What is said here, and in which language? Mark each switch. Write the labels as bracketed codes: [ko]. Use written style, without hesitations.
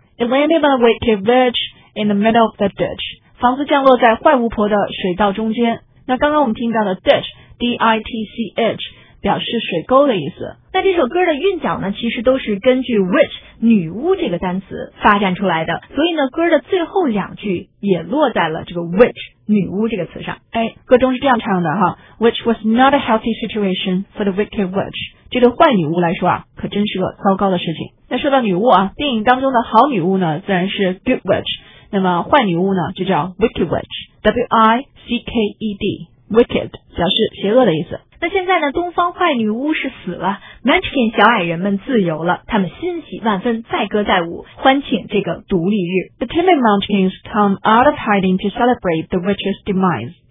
[en] It landed on a wicked witch in the middle of the ditch. [zh] 房子降落在坏巫婆的水道中间。那刚刚我们听到的 ditch, D-I-T-C-H, 表示水沟的意思。那这首歌的韵脚呢其实都是根据 witch, 女巫这个单词发展出来的。所以呢歌的最后两句也落在了这个 witch, 女巫这个词上。哎歌中是这样唱的哈。 [en] Which was not a healthy situation for the wicked witch. [zh] 这个坏女巫来说啊可真是个糟糕的事情。那说到女巫啊，电影当中的好女巫呢自然是 good witch， 那么坏女巫呢就叫 wicked witch， W-I-C-K-E-D wicked 表示邪恶的意思。那现在呢东方坏女巫是死了， Munchkin 小矮人们自由了，他们欣喜万分，载歌载舞欢庆这个独立日。 [en] The timid Munchkins come out of hiding to celebrate the witch's demise，